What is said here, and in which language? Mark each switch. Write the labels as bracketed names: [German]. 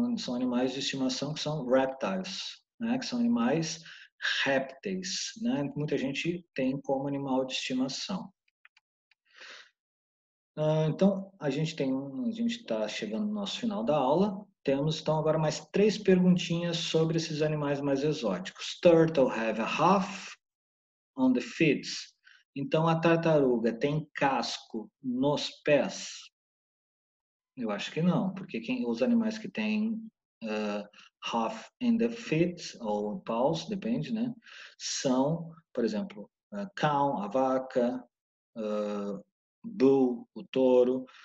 [Portuguese] São animais de estimação que são reptiles, né? Que são animais répteis, né? Muita gente tem como animal de estimação. Então, a gente está chegando no nosso final da aula. Temos então agora mais três perguntinhas sobre esses animais mais exóticos. [English] Turtle have a huff on the feet. [Portuguese] Então, a tartaruga tem casco nos pés? Eu acho que não, porque os animais que têm [English] huff in the feet, [Portuguese] ou paws, depende, né? São, por exemplo, cow, a vaca, Bull, o touro.